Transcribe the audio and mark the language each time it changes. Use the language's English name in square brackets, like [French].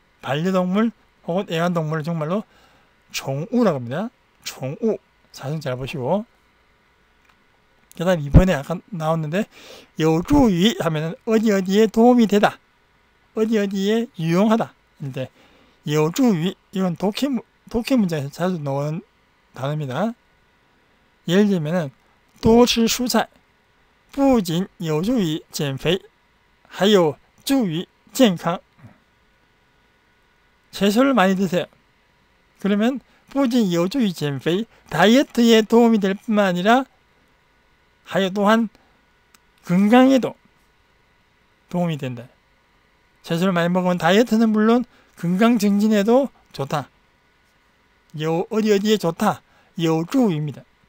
[Korean] 반려동물 혹은 애완동물을 정말로 종우라고 합니다. 종우. 사진 잘 보시고. 그 다음, 이번에 아까 나왔는데, 有助于 하면은, 어디 어디에 도움이 되다. 어디 어디에 유용하다. 근데, 有助于 이건 독해 문장에서 자주 넣은 단어입니다. [Chinese] 예를 들면은, 多吃蔬菜, 不仅有助于减肥, 还有助于健康. [Korean] 채소를 많이 드세요. 그러면, 뿌진 요조의 减肥, 다이어트에 도움이 될 뿐만 아니라 하여 또한 건강에도 도움이 된다. 채소를 많이 먹으면 다이어트는 물론 건강 증진에도 좋다. 어디 어디에 좋다. 요조입니다.